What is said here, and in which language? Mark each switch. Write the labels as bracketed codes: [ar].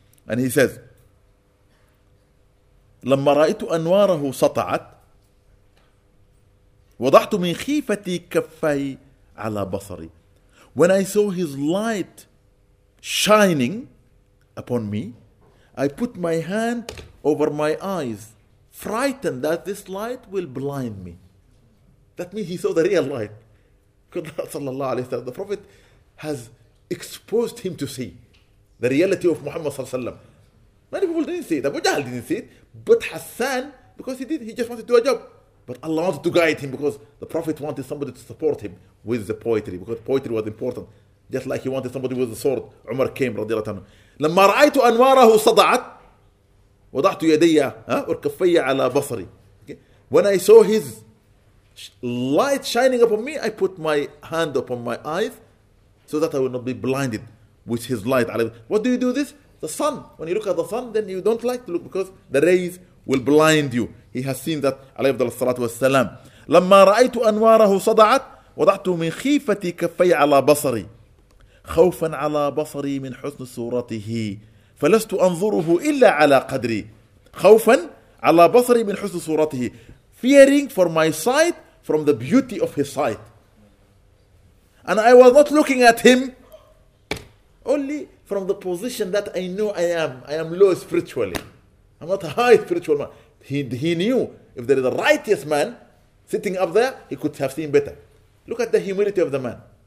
[en] And he says, [ar] "لما رأيت أنواره سطعت وضعت من خيفتي كفاي على بصري." [en] "When I saw his light shining upon me, I put my hand over my eyes, frightened that this light will blind me." That means he saw the real light. The Prophet has exposed him to see the reality of Muhammad sallallahu alaihi wasallam. Many people didn't see it. Abu Jahl didn't see it. But Hassan, because he did, he just wanted to do a job. But But Allah wanted to guide him because the Prophet wanted somebody to support him with the poetry, because poetry was important. Just like he wanted somebody with the sword, Umar came, radiallahu ta'ala. [ar] لما رأيت أنواره صدعت وضعت يدي وركفي على بصري. [en] When I saw his light shining upon me, I put my hand upon my eyes so that I will not be blinded with his light. What do you do this? The sun. When you look at the sun, then you don't like to look because the rays will blind you. He has seen that, alayhi wa salatu wa salam. [ar] لما رأيت أنواره صدعت وضعت من خيفتي كفي على بصري خوفا على بصري من حسن صورته فلست أنظره إلا على قدري خوفا على بصري من حسن صورته [en] fearing for my sight from the beauty of his sight. And I was not looking at him only from the position that I know I am low spiritually. I'm not a high spiritual man. He knew if there is a righteous man sitting up there, he could have seen better. Look at the humility of the man.